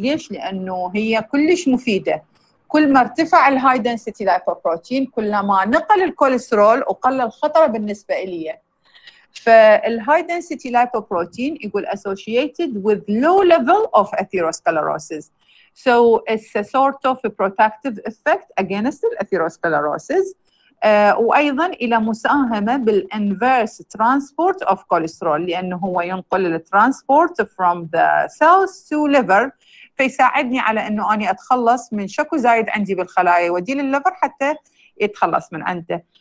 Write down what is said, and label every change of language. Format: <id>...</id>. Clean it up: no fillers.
<ar>ليش؟ لانه هي كلش مفيده. كل ما ارتفع الهاي دنسيتي لايبوبروتين كل ما نقل الكوليسترول وقلل خطره بالنسبه لي.</ar> <en>فالهاي density lipoprotein</en> <ar>يقول</ar> <en>اسوشيتد وذ لو ليفل اوف اثيروسكلروسيس. So it's a sort of a protective effect against atherosclerosis.</en> <ar>وأيضا إلى مساهمة بال</ar> <en>inverse transport of cholesterol</en> <ar>لأنه هو ينقل الـ</ar> <en>transport from the cells to liver</en> <ar>فيساعدني على أنه أنا أتخلص من شكو زايد عندي بالخلايا ودي للليفر حتى يتخلص من عنده.</ar>